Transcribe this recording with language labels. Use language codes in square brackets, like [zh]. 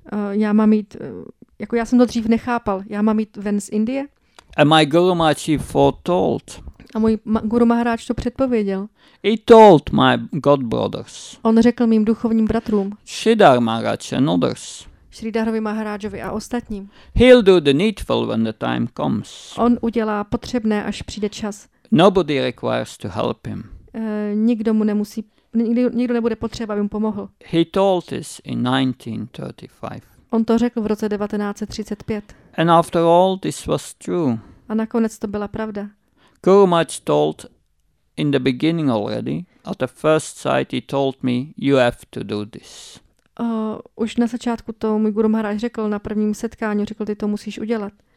[cs] Já mám jít, jako já jsem to dřív nechápal, já mám jít ven z Indie? [en] And my Guru Maharaj foretold. [cs] A můj Guru Maharaj to předpověděl. [en] He told my God brothers. [cs] On řekl mým duchovním bratrům. [en] Sridhar Maharaj and others. [cs] Sridharovi Maharajovi a ostatním. [en] He'll do the needful when the time comes. [cs] On udělá potřebné, až přijde čas. [en] Nobody requires to help him. [cs] Nikdo nebude potřeba, aby mu pomohl. [en] He told this in 1935. [cs] On to řekl v roce 1935. [en] And after all, this was true. [cs] A nakonec to byla pravda. [en] Guru Maharaj told in the beginning already, at the first sight he told me, you have to do this. [cs] Už na začátku to můj Guru Maharaj řekl na prvním setkání, řekl, ty to musíš udělat.